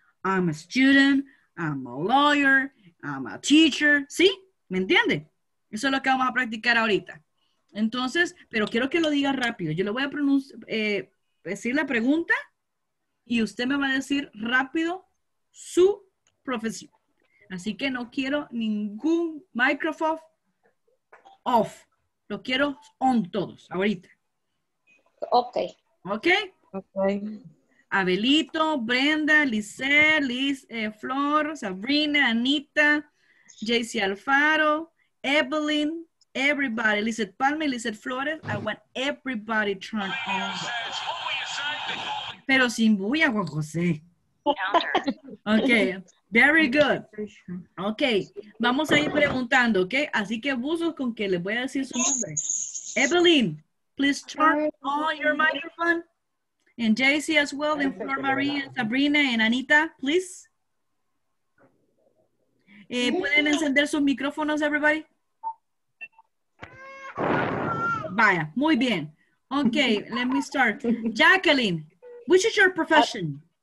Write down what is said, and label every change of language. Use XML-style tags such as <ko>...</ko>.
<en>I'm a student, I'm a lawyer, I'm a teacher, ¿sí?</en> <es>¿Me entiende? Eso es lo que vamos a practicar ahorita. Entonces, pero quiero que lo diga rápido. Yo le voy a decir la pregunta y usted me va a decir rápido su profesión. Así que no quiero ningún</es> <en>microphone off.</en> <es>Lo quiero on todos, ahorita.</es> <en>Ok. Abelito, Brenda, Lizette, Liz, Flor, Sabrina, Anita, JC Alfaro, Evelyn. Everybody, Lizet Palma, Lizet Flores, I want everybody to turn on.</en> <es>Pero sin bulla, Juan José.</es> <en>Okay, very good.</en> <es>Okay, vamos a ir preguntando, okay? Así que busos con que les voy a decir su nombre.</es> <en>Evelyn, please turn on your microphone. And JC as well, and Flor Marie, and Sabrina, and Anita, please.</en> <es>¿Pueden encender sus micrófonos, everybody? Vaya, muy bien.</es> <en>Okay, let me start. Jacqueline, which is your profession?</en>